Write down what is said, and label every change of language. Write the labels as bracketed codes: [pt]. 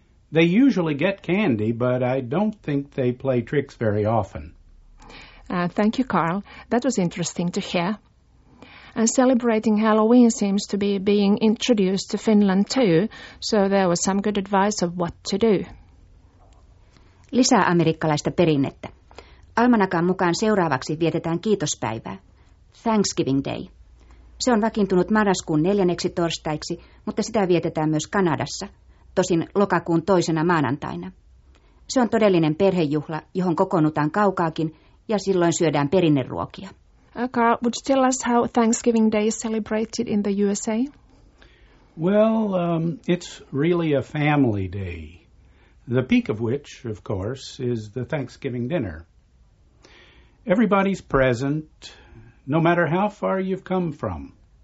[en] They usually get candy, but I don't think they play tricks very often. Thank you, Carl. That was interesting to hear. And celebrating Halloween seems to be being introduced to Finland too, so there was some good advice of what to do. [fi] Lisää amerikkalaista perinnettä. Almanakan mukaan seuraavaksi vietetään kiitospäivää. Thanksgiving Day. Se on vakiintunut marraskuun 4. torstaiksi, mutta sitä vietetään myös Kanadassa, tosin lokakuun 2. maanantaina. Se on todellinen perhejuhla, johon kokoonnutaan kaukaakin, ja silloin syödään perinneruokia. [en] Carl, would you tell us how Thanksgiving Day is celebrated in the USA? It's really a family day. The peak of which, of course, is the Thanksgiving dinner. Everybody's present, no matter how far you've come from.